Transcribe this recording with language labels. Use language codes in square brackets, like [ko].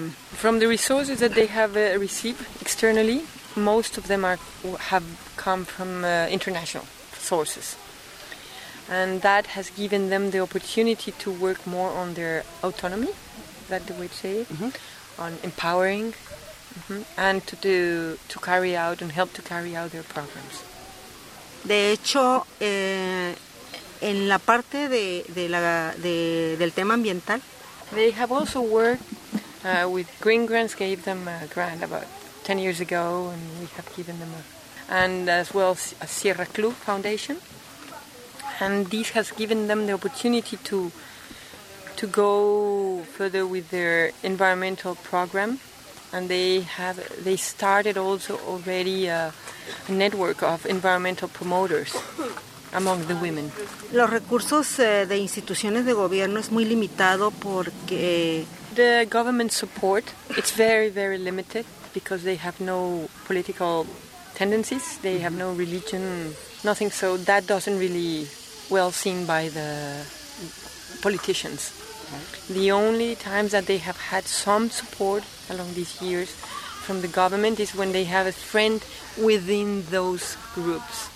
[en] From the resources that they have received externally, most of them have come from international sources. And that has given them the opportunity to work more on their autonomy, is that the way to say it? Mm-hmm. On empowering, mm-hmm. and to carry out and help to carry out their programs. [es] De hecho, en la parte del tema ambiental. [en] They have also worked with Green Grants, gave them a grant about 10 years ago, and we have given them and as well a Sierra Club Foundation. And this has given them the opportunity to go further with their environmental program. And they started also already a network of environmental promoters among the women. [es] Los recursos de instituciones de gobierno es muy limitado porque [en] the government support, it's very, very limited because they have no political tendencies, they have no religion, nothing. So that doesn't really well seen by the politicians. The only times that they have had some support along these years from the government is when they have a friend within those groups.